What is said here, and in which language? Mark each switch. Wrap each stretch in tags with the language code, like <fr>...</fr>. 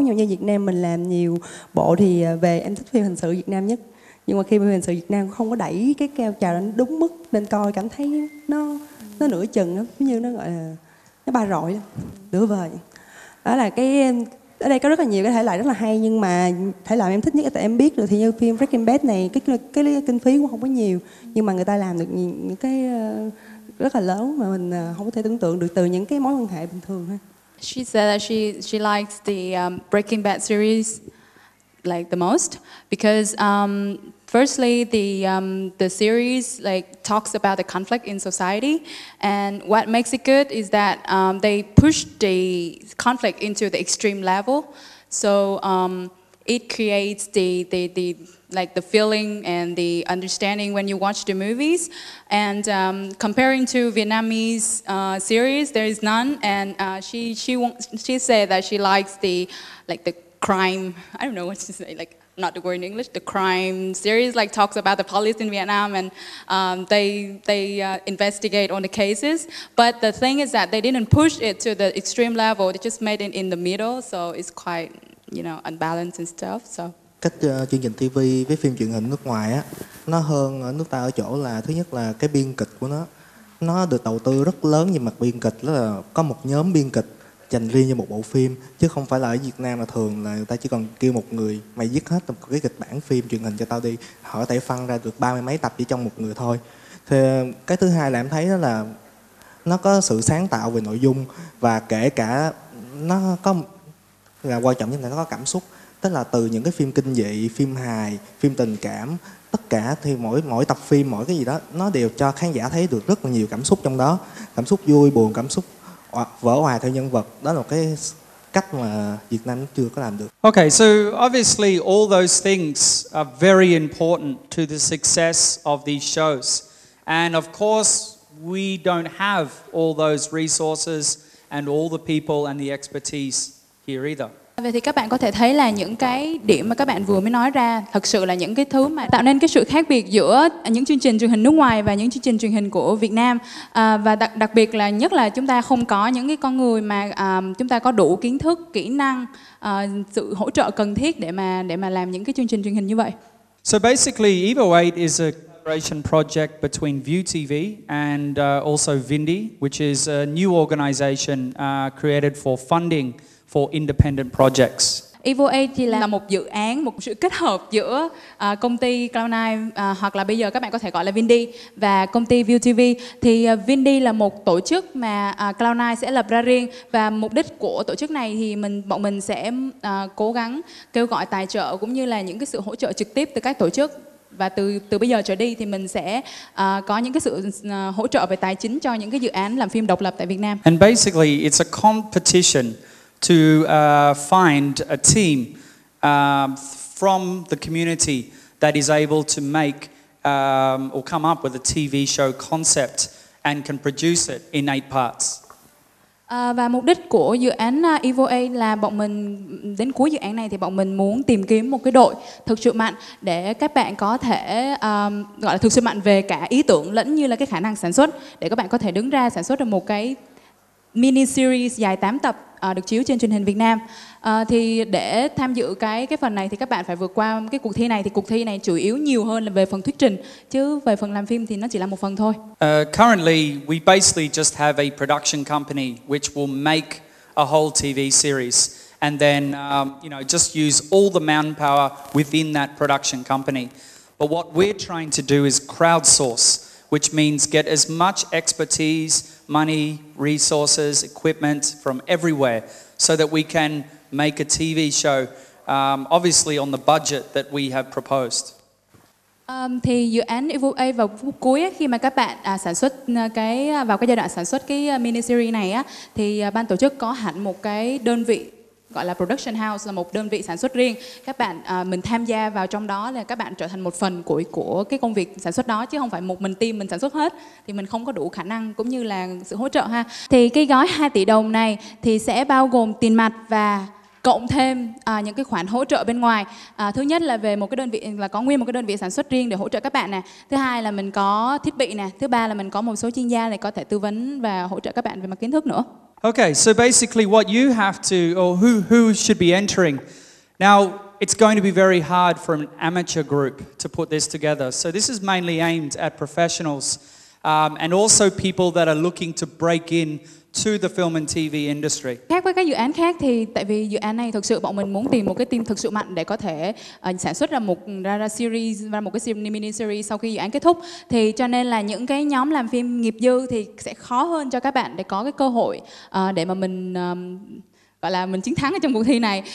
<vi>Như Việt Nam mình làm nhiều bộ thì về em thích phim hình sự Việt Nam nhất, nhưng mà khi phim hình sự Việt Nam không có đẩy cái cao trào đến đúng mức, nên coi cảm thấy nó nửa chừng, giống như nó gọi là nó ba rọi nửa vời. Đó là cái ở đây có rất là nhiều cái thể loại rất là hay, nhưng mà thể loại em thích nhất là em biết là thì như phim Breaking Bad này cái kinh phí cũng không có nhiều, nhưng mà người ta làm được những cái rất là lớn mà mình không có thể tưởng tượng được từ những cái mối quan hệ bình thường ha.</vi> <en>She said that she likes the Breaking Bad series like the most because firstly the series like talks about the conflict in society, and what makes it good is that they push the conflict into the extreme level, so it creates the like the feeling and the understanding when you watch the movies. And comparing to Vietnamese series, there is none. And she said that she likes the like the crime, I don't know what to say, like not the word in English, the crime series, like talks about the police in Vietnam, and they investigate on the cases. But the thing is that they didn't push it to the extreme level, they just made it in the middle, so it's quite, you know, unbalanced and stuff. So</en> <vi>cách chương trình TV với phim truyền hình nước ngoài á, nó hơn ở nước ta ở chỗ là thứ nhất là cái biên kịch của nó được đầu tư rất lớn về mặt biên kịch, là có một nhóm biên kịch dành riêng cho một bộ phim, chứ không phải là ở Việt Nam là thường là người ta chỉ còn kêu một người mày viết hết một cái kịch bản phim truyền hình cho tao đi, họ có thể phân ra được 30 mấy tập chỉ trong một người thôi. Thì cái thứ hai là em thấy đó là nó có sự sáng tạo về nội dung, và kể cả nó có là quan trọng nhất là nó có cảm xúc, tức là từ những cái phim kinh dị, phim hài, phim tình cảm, tất cả thì mỗi tập phim, mỗi cái gì đó nó đều cho khán giả thấy được rất là nhiều cảm xúc trong đó, cảm xúc vui buồn, cảm xúc vỡ hòa theo nhân vật. Đó là một cái cách mà Việt Nam chưa có làm được.</vi> <en>Okay, so obviously all those things are very important to the success of these shows, and of course we don't have all those resources and all the people and the expertise here either.</en> <vi>Vậy thì các bạn có thể thấy là những cái điểm mà các bạn vừa mới nói ra thật sự là những cái thứ mà tạo nên cái sự khác biệt giữa những chương trình truyền hình nước ngoài và những chương trình truyền hình của Việt Nam. Và đặc biệt là nhất là chúng ta không có những cái con người mà chúng ta có đủ kiến thức, kỹ năng, sự hỗ trợ cần thiết để mà làm những cái chương trình truyền hình như vậy.</vi> <en>So basically, EVA 8 is a collaboration project between VTV and also VINDIE, which is a new organization created for funding for independent projects.</en> <vi>EVA thì là một dự án, một sự kết hợp giữa công ty Cloud9 hoặc là bây giờ các bạn có thể gọi là VINDIE và công ty VTV. Thì VINDIE là một tổ chức mà Cloud9 sẽ lập ra riêng, và mục đích của tổ chức này thì bọn mình sẽ cố gắng kêu gọi tài trợ cũng như là những cái sự hỗ trợ trực tiếp từ các tổ chức, và từ bây giờ trở đi thì mình sẽ có những cái sự hỗ trợ về tài chính cho những cái dự án làm phim độc lập tại Việt Nam.</vi> <en>And basically it's a competition to find a team from the community that is able to make or come up with a TV show concept and can produce it in 8 parts.</en> <vi>Và mục đích của dự án EVOA là bọn mình đến cuối dự án này thì bọn mình muốn tìm kiếm một cái đội thực sự mạnh để các bạn có thể gọi là thực sự mạnh về cả ý tưởng lẫn như là cái khả năng sản xuất, để các bạn có thể đứng ra sản xuất được một cái mini series dài 8 tập được chiếu trên truyền hình Việt Nam. Thì để tham dự cái phần này thì các bạn phải vượt qua cái cuộc thi này, thì cuộc thi này chủ yếu nhiều hơn là về phần thuyết trình, chứ về phần làm phim thì nó chỉ là một phần thôi.</vi> <en>Currently we basically just have a production company which will make a whole TV series and then you know, just use all the manpower within that production company. But what we're trying to do is crowdsource, which means get as much expertise, money, resources, equipment from everywhere so that we can make a TV show, obviously on the budget that we have proposed.</en> <vi>Thì dự án EVOA vào cuối khi mà các bạn sản xuất cái vào cái giai đoạn sản xuất cái mini series này á, thì ban tổ chức có hẳn một cái đơn vị gọi là production house, là một đơn vị sản xuất riêng. Các bạn mình tham gia vào trong đó là các bạn trở thành một phần của cái công việc sản xuất đó, chứ không phải một mình team mình sản xuất hết, thì mình không có đủ khả năng cũng như là sự hỗ trợ ha. Thì cái gói 2 tỷ đồng này thì sẽ bao gồm tiền mặt và cộng thêm những cái khoản hỗ trợ bên ngoài. Thứ nhất là về một cái đơn vị, là có nguyên một cái đơn vị sản xuất riêng để hỗ trợ các bạn nè. Thứ hai là mình có thiết bị nè. Thứ ba là mình có một số chuyên gia này có thể tư vấn và hỗ trợ các bạn về mặt kiến thức nữa.</vi> <en>Okay, so basically what you have to, or who should be entering. Now, it's going to be very hard for an amateur group to put this together. So this is mainly aimed at professionals and also people that are looking to break in to the film and TV industry.</en> <vi>Khác với các dự án khác thì tại vì dự án này thực sự bọn mình muốn tìm một cái team thực sự mạnh để có thể sản xuất ra một ra series và một cái mini series sau khi dự án kết thúc, thì cho nên là những cái nhóm làm phim nghiệp dư thì sẽ khó hơn cho các bạn để có cái cơ hội để mà mình gọi là mình chiến thắng ở trong cuộc thi này.</vi>